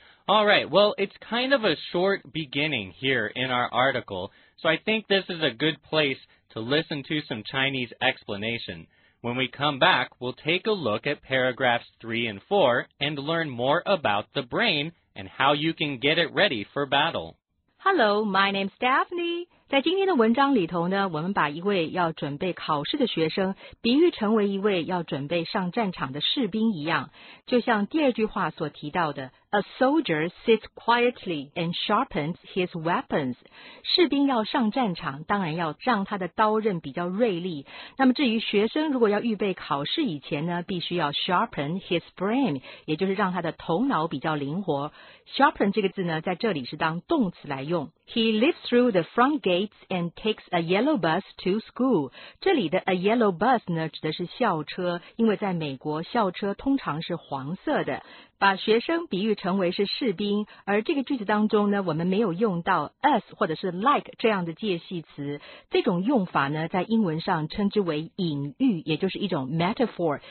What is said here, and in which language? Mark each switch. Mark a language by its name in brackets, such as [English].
[English] All right, well, it's kind of a short beginning here in our article, so I think this is a good place to listen to some Chinese explanation. When we come back, we'll take a look at paragraphs 3 and 4 and learn more about the brain and how you can get it ready for battle. Hello, my name is Daphne. [Chinese] 在今天的文章里头呢，我们把一位要准备考试的学生比喻成为一位要准备上战场的士兵一样，就像第二句话所提到的 ， [English] A soldier sits quietly and sharpens his weapons。 [Chinese] 士兵要上战场，当然要让他的刀刃比较锐利。那么至于学生，如果要预备考试以前呢，必须要 [English] sharpen his brain， [Chinese] 也就是让他的头脑比较灵活。 sharpen 这个字呢，在这里是当动词来用。 [English] He lives through the front gates and takes a yellow bus to school. [Chinese] 这里的 [English] a yellow bus [Chinese] 呢，指的是校车，因为在美国，校车通常是黄色的。把学生比喻成为是士兵，而这个句子当中呢，我们没有用到 us 或者是 like 这样的介系词。这种用法呢，在英文上称之为隐喻，也就是一种 metaphor。